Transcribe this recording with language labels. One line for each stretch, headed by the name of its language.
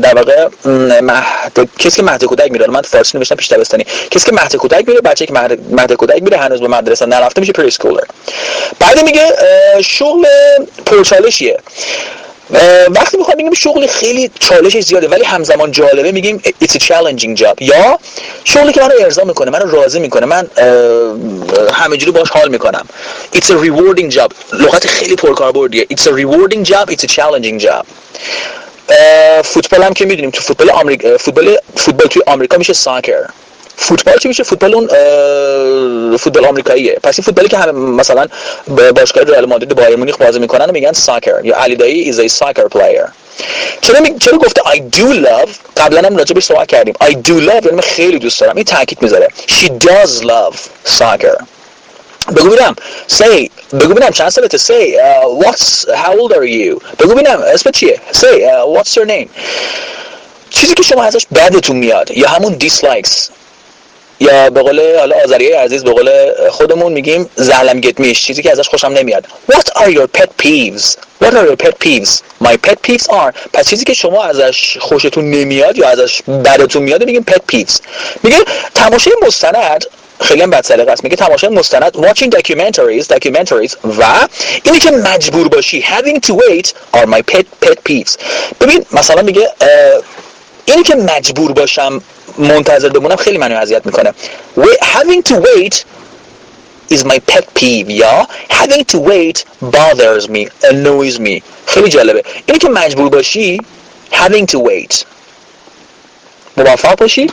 Persian: در واقع کسی که مهد کودک میره، من فارسی نوشتم پیش دبستانی، کسی که مهد کودک میره، بچه که مهد کودک میره هنوز به مدرسه نرفته میشه پریسکولر. بعد میگه شغل پرچالشیه. وقتی میخوایم بگیم شغلی خیلی چالشش زیاده ولی همزمان جالبه، میگیم
English: it's a challenging job.
Persian: یا شغلی که من رو ارضا میکنه، من رو راضی میکنه، من همه جوری باش حال میکنم.
English: it's a rewarding job،
Persian: لغت خیلی پرکاربردیه.
English: it's a rewarding job، it's a challenging job.
Persian: فوتبال هم که میدونیم تو فوتبال آمریکا، فوتبال توی آمریکا میشه soccer. فوتبال چی میشه؟ فوتبال اون فوتبال آمریکاییه. پس این فوتبالی که همه مثلا باشگاه رئال مادرید و بایر مونیخ بازی میکنن و میگن ساکر، یا علی دایی
English: is a soccer player.
Persian: چرا گفته
English: I do love؟
Persian: قبلا هم راجبش صحبت کردیم. I do love یعنی من خیلی دوست دارم. این تاکید میذاره.
English: She does love soccer.
Persian: بگو بینم. Say. بگو بینم چند سالته؟ Say.
English: How old are you؟
Persian: بگو بینم اسمت چیه؟
English: Say. What's your name؟
Persian: چیزی که شما ازش بدتون میاد یا همون dislikes، یا به قول حالا آذریای عزیز به قول خودمون میگیم
Azerbaijani: زهلم گت میش،
Persian: چیزی که ازش خوشم نمیاد.
English: What are your pet peeves? My pet peeves are.
Persian: پس چیزی که شما ازش خوشتون نمیاد یا ازش بدتون میاد میگیم pet peeves. میگه تماشای مستند خیلی هم بد سلیقه است. میگه تماشای مستند،
English: watching documentaries،
Persian: و اینی که مجبور باشی،
English: having to wait، are my pet peeves.
Persian: ببین مثلا میگه اینی که مجبور باشم منتظر بمونم خیلی منو اذیت میکنه.
English: Having to wait is my pet peeve. یا having to wait bothers me، annoys me.
Persian: خیلی جالبه. اینی که مجبور باشی،
English: having to wait.
Persian: موفق باشی.